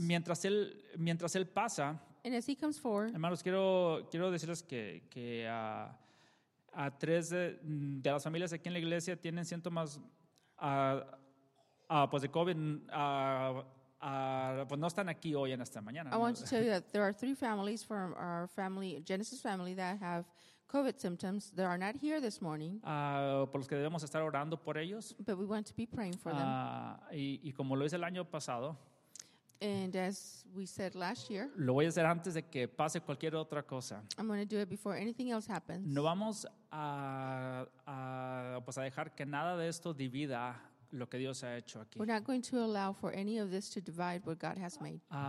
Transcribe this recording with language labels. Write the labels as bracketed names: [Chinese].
[Spanish] Mientras él pasa. [English] And as he comes forward, [Spanish] hermanos, quiero decirles que a tres de las familias aquí en la iglesia tienen síntomas pues de COVID. Pues no están aquí hoy en esta mañana. [English] I want to tell you that there are three families from our family, Genesis family, that have COVID symptoms that are not here this morning. [Spanish] Por los que debemos estar orando por ellos. [English] But we want to be praying for them. [Spanish] Y como lo hice el año pasado. [English] And as we said last year, [Spanish] lo voy a hacer antes de que pase cualquier otra cosa. [English] I'm going to do it before anything else happens. [Spanish] No vamos a dejar que nada de esto divida lo que Dios ha hecho aquí. [English] We're not going to allow for any of this to divide what God has made.